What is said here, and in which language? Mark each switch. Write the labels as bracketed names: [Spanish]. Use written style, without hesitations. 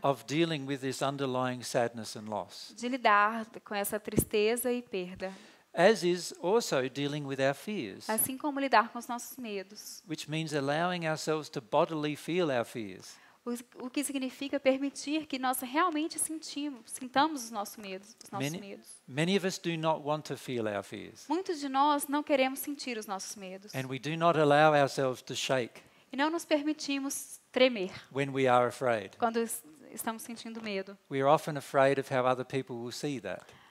[English] Of dealing with this underlying sadness and loss. [Portuguese] De lidar com essa tristeza e perda. [English] As is also dealing with our fears. [Portuguese] Assim como lidar com os nossos medos. [English] Which means allowing ourselves to bodily feel our fears. [Portuguese] o que significa permitir que nós realmente sintamos os nossos medos, [English] Many of us do not want to feel our fears. [Portuguese] Muitos de nós não queremos sentir os nossos medos. [English] And we do not allow ourselves to shake. [Portuguese] E não nos permitimos tremer. [English] When we are afraid. [Portuguese] Quando estamos sentindo medo. [English] We are often afraid of how other people will see that.